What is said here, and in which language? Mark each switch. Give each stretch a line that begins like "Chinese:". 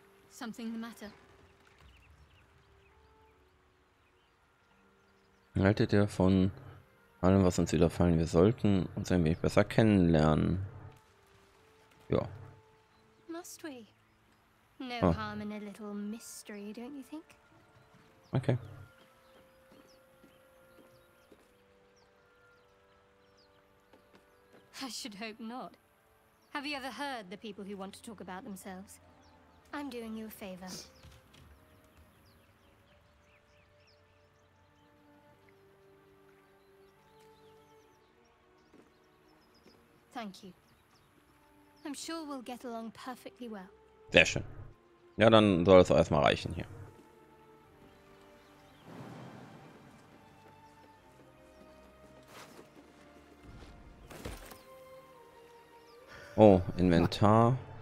English: Something the matter.
German: Haltet ihr von allem, was uns widerfallen? Wir sollten uns ein wenig besser kennenlernen. Ja.
English: Must we? No harm in a little mystery, don't you think? Okay. I should hope not. Have you ever heard the people who want to talk about themselves? I'm doing you a favor. Thank you. I'm sure we'll get along perfectly well.
German: Sehr schön. Ja, dann soll es erstmal reichen hier. Oh, Inventar.